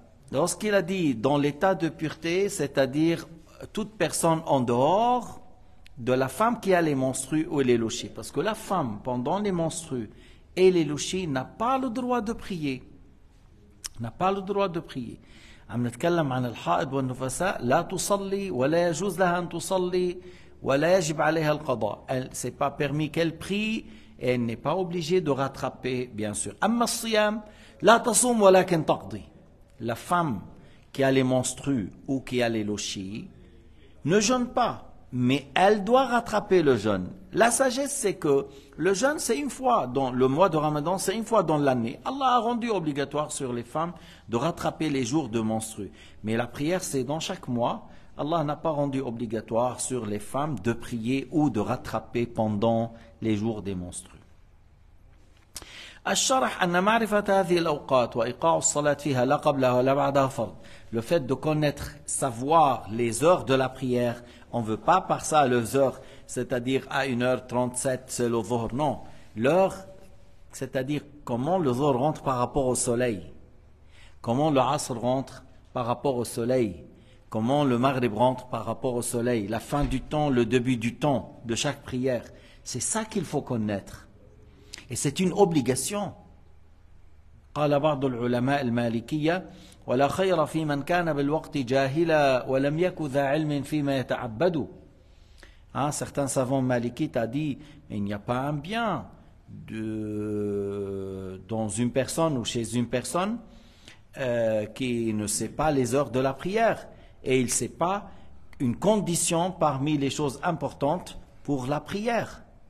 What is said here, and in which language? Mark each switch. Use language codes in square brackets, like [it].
[fr] Lorsqu'il a dit dans l'état de pureté, c'est-à-dire toute personne en dehors de la femme qui a les menstrues ou les louchis, parce que la femme, pendant les menstrues et les louchis, n'a pas le droit de prier. N'a pas le droit de prier. [ar] عم نتكلم عن الحائض والنفساء لا تصلي ولا يجوز لها ان تصلي ولا يجب عليها القضاء. [fr] C'est pas permis qu'elle prie et elle n'est pas obligée de rattraper, bien sûr. [ar] اما الصيام لا تصوم ولكن تقضي. [fr] La femme qui a les menstrues ou qui a les louchis ne jeûne pas, mais elle doit rattraper le jeûne. La sagesse, c'est que le jeûne, c'est une fois dans le mois de Ramadan, c'est une fois dans l'année. Allah a rendu obligatoire sur les femmes de rattraper les jours de menstrues. Mais la prière, c'est dans chaque mois. Allah n'a pas rendu obligatoire sur les femmes de prier ou de rattraper pendant les jours des menstrues. [ar] الشرح أن معرفة هذه الأوقات وإيقاع الصلاة فيها لا قبلها ولا بعدها فرض. [fr] Le fait de connaître, savoir les heures de la prière, on ne veut pas par ça les heures, c'est-à-dire à 1h37 c'est le dhuhr. Non, l'heure, c'est-à-dire comment le dhuhr rentre par rapport au soleil, comment le asr rentre par rapport au soleil, comment le maghrib rentre par rapport au soleil, la fin du temps, le début du temps de chaque prière, c'est ça qu'il faut connaître. Et c'est une obligation. [ar] قال بعض العلماء المالكية ولا خير في من كان بالوقت جاهلا ولم يكن ذا علم فيما يتعبد. [fr] Certains savants malikites ont dit, mais il n'y a pas un bien de, dans une personne ou chez une personne qui ne sait pas les heures de la prière. Et il ne sait pas une condition parmi les choses importantes pour la prière.